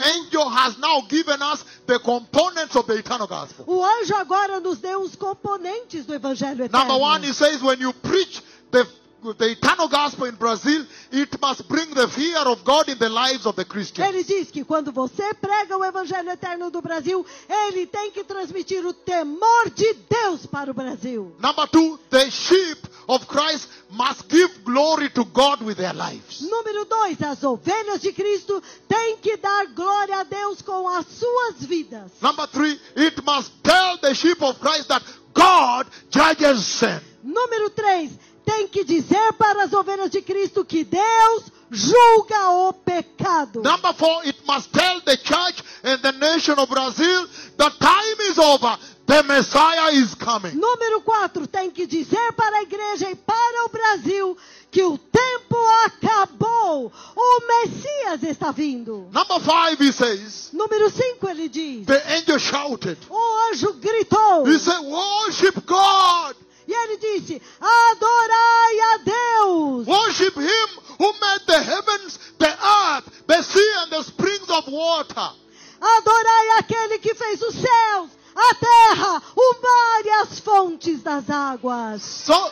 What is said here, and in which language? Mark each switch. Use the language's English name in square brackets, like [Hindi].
[English] The angel has now given us the components of the eternal gospel. [Portuguese] O anjo agora nos deu os componentes do evangelho eterno. [English] Number one, he says when you preach the eternal gospel in Brazil, it must bring the fear of God in the lives of the Christians. [Portuguese] Ele diz que quando você prega o evangelho eterno do Brasil, ele tem que transmitir o temor de Deus para o Brasil. [English] Number two, the sheep of Christ must give glory to God with their lives. [Portuguese] Número dois, as ovelhas de Cristo têm que dar glória a Deus com as suas vidas. [English] Number three, it must tell the sheep of Christ that God judges sin. [Portuguese] Número três, tem que dizer para as ovelhas de Cristo que Deus julga o pecado. [English] Number four, it must tell the church and the nation of Brazil the time is over. The Messiah is coming. [Portuguese] Número 4, tem que dizer para a igreja e para o Brasil que o tempo acabou. O Messias está vindo. [English] Number 5, he says. [Portuguese] Número 5, ele diz. [English] The angel shouted. [Portuguese] O anjo gritou. [English] He said, worship God. [Portuguese] E ele disse, adorai a Deus. [English] Worship him who made the heavens, the earth, the sea and the springs of water. [Portuguese] Adorai aquele que fez os céus, a terra, o mar e as fontes das águas.